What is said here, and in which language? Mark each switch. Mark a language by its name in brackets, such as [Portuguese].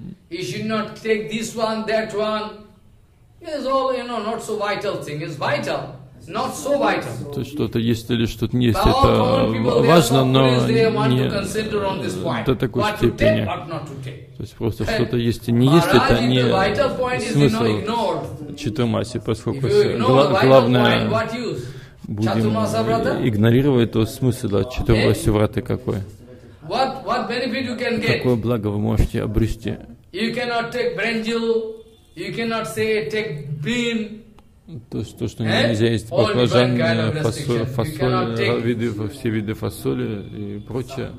[English] You should not take this one, that one. It's all, you know, not so vital thing. It's vital, not so vital. [Russian] То есть что-то есть или что-то не есть, это важно, но не до такой степени. То есть просто что-то есть и не есть, это не смысл Чатурмаси, поскольку главное будем игнорировать, то смысл Чатурмаси Враты какой? [English] What benefit you can get? [Russian] Какое благо вы можете обрести? [English] You cannot take brinjal, you cannot say take bean. [Russian] То есть то, что нельзя есть баклажан, фасоль, виды, все виды фасоли и прочее.